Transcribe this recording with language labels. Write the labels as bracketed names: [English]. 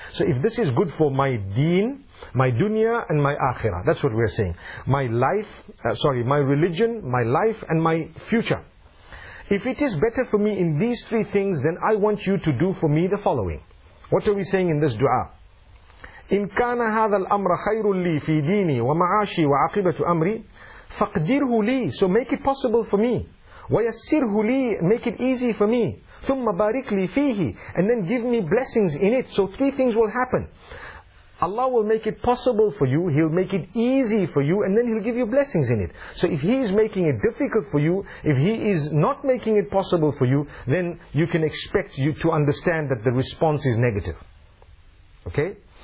[English] So if this is good for my deen, my dunya and my akhirah, that's what we're saying. My religion, my life and my future. If it is better for me in these three things, then I want you to do for me the following. What are we saying in this dua? [Arabic] إن كان هذا الأمر خير لي في ديني ومعاشي وعاقبة أمري فقدره لي. [English] So make it possible for me. [Arabic] ويسره لي. [English] Make it easy for me. [Arabic] ثم بارك لي فيه. [English] And then give me blessings in it. So three things will happen. Allah will make it possible for you, He'll make it easy for you, and then He'll give you blessings in it. So if He is making it difficult for you, if He is not making it possible for you, then you can expect you to understand that the response is negative. Okay?